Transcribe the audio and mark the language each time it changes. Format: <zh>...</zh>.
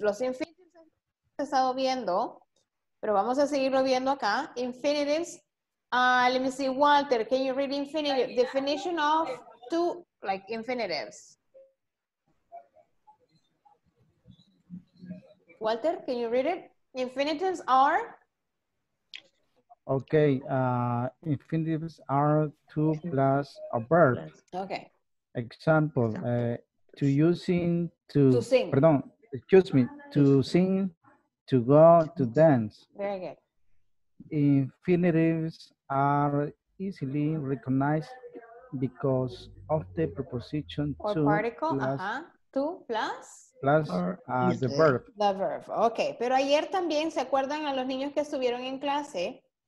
<es>Los infinitives hemos estado viendo, pero vamos a seguirlo viendo acá.</es> <en>Infinitives. Let me see, Walter, can you read infinitive? Definition of two, like infinitives. Walter, can you read it? Infinitives are... Okay, infinitives are two plus a verb. Okay. Example, to using, to... To sing. Pardon, excuse me. To sing, to go, to dance. Very good. Infinitives are easily recognized because of the preposition to... Or particle, plus, to plus? Plus the verb. The verb, okay.</en> <es>Pero ayer también, ¿se acuerdan a los niños que estuvieron en clase?</es>